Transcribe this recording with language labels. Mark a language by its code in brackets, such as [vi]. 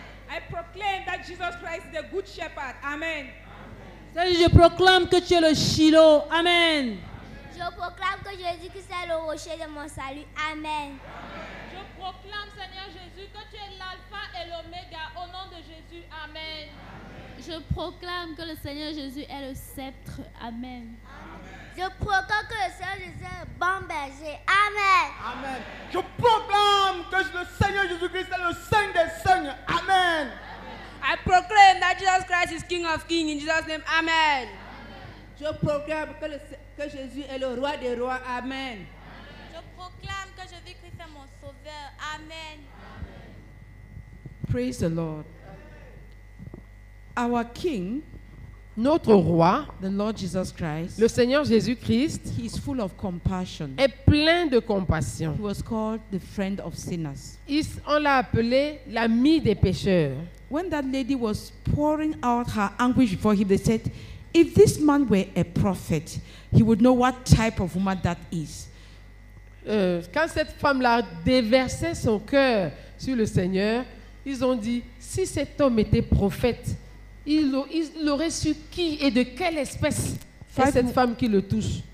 [en] I proclaim that Jesus Christ is the good shepherd. Amen. Amen. [fr] Seigneur, je proclame que tu es le Shiloh. Amen. Je proclame que Jésus-Christ est le rocher de mon salut. Amen. Amen. Je proclame, Seigneur Jésus, que tu es l'alpha et l'oméga. Au nom de Jésus, amen. Amen. Je proclame que le Seigneur Jésus est le sceptre. Amen. Amen. Je proclame que le Seigneur Jésus est le bon berger. Amen. Amen. Je proclame que le Seigneur Jésus-Christ est le Saint des Saints. Amen. Amen. [en] I proclaim that Jesus Christ is King of Kings. In Jesus' name, amen. [fr] Je proclame que Jésus est le roi des rois. Amen. Amen. Amen. [en] Praise the Lord. Our King, [fr] notre roi, [en] the Lord Jesus Christ, [fr] le Seigneur Jésus Christ, [en] he is full of compassion. [fr] Est plein de compassion. [en] He was called the friend of sinners. [fr] On l'a appelé l'ami des pécheurs. [en] When that lady was pouring out her anguish before him, they said, "If this man were a prophet, he would know what type of woman that is." [fr] Quand cette femme-là déversait son cœur sur le Seigneur, ils ont dit, si cet homme était prophète, il aurait su qui et de quelle espèce est cette femme qui le touche.